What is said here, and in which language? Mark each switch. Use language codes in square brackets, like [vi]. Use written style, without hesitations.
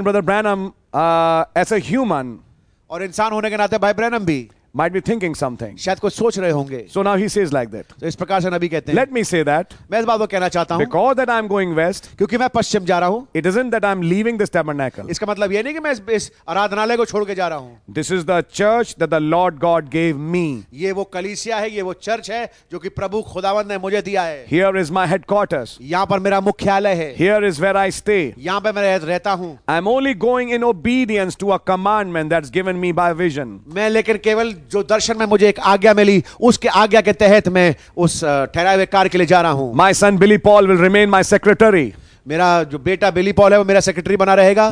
[en] And even Brother Branham, as a human, [hi] और इंसान होने के नाते भाई ब्रैनम भी [en] might be thinking something. [hi] शायद कुछ सोच रहे होंगे. [en] So now he says like that. [hi] तो इस प्रकार से नबी कहते हैं. [en] Let me say that. [hi] मैं इस बात को कहना चाहता हूँ. [en] Because that I'm going west. [hi] क्योंकि मैं पश्चिम जा रहा हूँ. [en] It isn't that I'm leaving this tabernacle. [hi] इसका मतलब ये नहीं कि मैं इस आराधनालय को छोड़ के जा रहा हूँ. [en] This is the church that the Lord God gave me. [hi] ये वो कलीसिया है, ये वो चर्च है, जो कि प्रभु खुदावन ने मुझे दिया है. [en] Here is my headquarters. [hi] यहाँ पर मेरा मुख्यालय है. [en] Here is where I stay. [hi] यहाँ पर मैं रहता हूँ. [en] I'm only going in obedience to a commandment that's given me by vision. [hi] मैं लेकिन केवल जो दर्शन में मुझे एक आज्ञा मिली उसके आज्ञा के तहत मैं उस ठहराए हुए कार्य के लिए जा रहा हूं. [en] My son Billy Paul will remain my secretary. [hi] मेरा जो बेटा बिली पॉल है वो मेरा सेक्रेटरी बना रहेगा.